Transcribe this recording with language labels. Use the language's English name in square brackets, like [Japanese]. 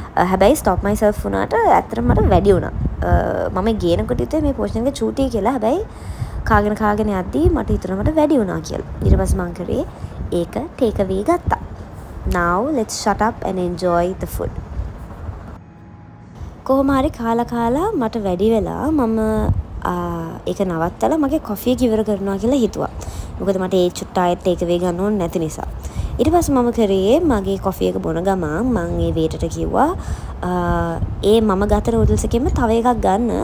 [Sinhala] හැබැයි [English] stop myself [Sinhala] වුණාට ඇත්තට මට වැඩි වුණා. මම ගේනකොට හිතුවේ මේ පෝෂණ එක චූටි කියලා. හැබැයි කාගෙන කාගෙන යද්දී මට හිතනවට වැඩි වුණා කියලා. ඊට පස්සේ මං කරේ ඒක ටේක් අවේ ගත්තා. [English] Now let's shut up and enjoy the food. [Sinhala] කොහොම හරි කාලා කාලා මට වැඩි වෙලා මම ඒක නවත්තලා මගේ කොෆි එක ඉවර කරනවා කියලා හිතුවා. මොකද මට ඒ චුට්ටායත් ටේක් අවේ ගන්න ඕන නැති නිසා. ඊට පස්සේ මම කරේ මගේ කොෆි එක බොන ගමන් මම ඒ වේටර්ට කිව්වා ඒ මම ගත නූඩල්ස් එකෙම තව එකක් ගන්න.